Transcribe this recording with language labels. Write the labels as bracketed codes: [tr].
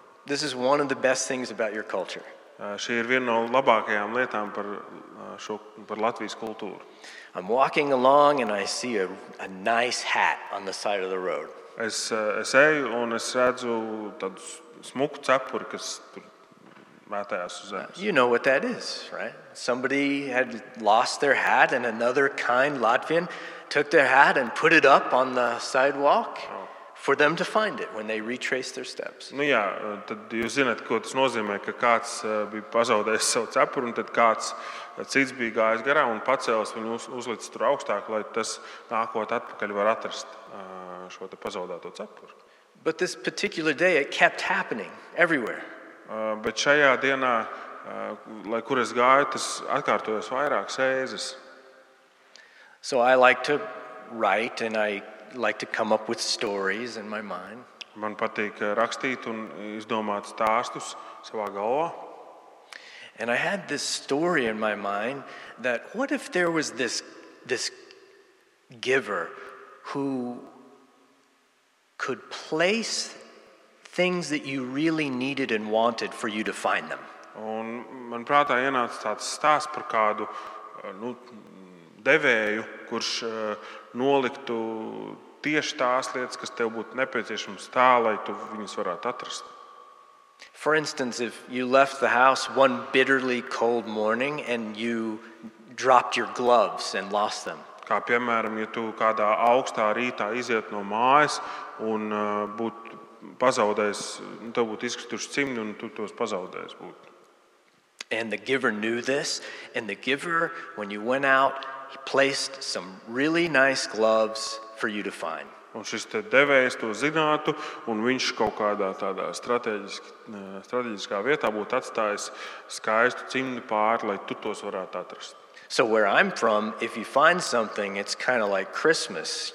[en] This is one of the best things about your culture. [lv] Šī ir viena no labākajām lietām par šo par Latvijas kultūru. [en] I'm walking along and I see a nice hat on the side of the road. [lv] Es eju un es redzu tādu smuku cepuri, kas tur mētājās uz zemes. [en] You know what that is, right? Somebody had lost their hat and another kind Latvian took their hat and put it up on the sidewalk for them to find it when they retrace their steps. [lv] Nu jā, tad jūs zināt, ko tas nozīmē, ka kāds bija pazaudējis savu cepuri un tad kāds cits bija gājis garā un pacēlis viņu uzlicis tur augstāk, lai tas nākot atpakaļ var atrast šo te pazaudēto cepuri. [en] But this particular day it kept happening everywhere. [lv] Bet šajā dienā, lai kur es gāju, tas atkārtojas vairākas reizes. [en] So I like to write and I like to come up with stories in my mind. [lv] Man patīk rakstīt un izdomāt stāstus savā galvā. [en] And I had this story in my mind that what if there was this giver who could place things that you really needed and wanted for you to find them. [lv] Un man prātā ienāca tāds stāsts par kādu, nu, devēju, kurš noliktu tieši tās lietas, kas tev būtu nepieciešams tā, lai tu viņas varētu atrast. [en] For instance, if you left the house one bitterly cold morning and you dropped your gloves and lost them. [lv] Kā piemēram, ja tu kādā augstā rītā iziet no mājas un būtu pazaudējis, tev būtu izkrituši cimdi un tu tos pazaudējis būtu. [en] And the giver knew this, and the giver, when you went out, he placed some really nice gloves for you to find. [lv] Un šis te devējs to zinātu, un viņš kaut kādā tādā strateģiskā vietā būtu atstājis skaistu cimdu pāri, lai tu tos varētu atrast. [en] So where I'm from, if you find something, it's kind of like Christmas.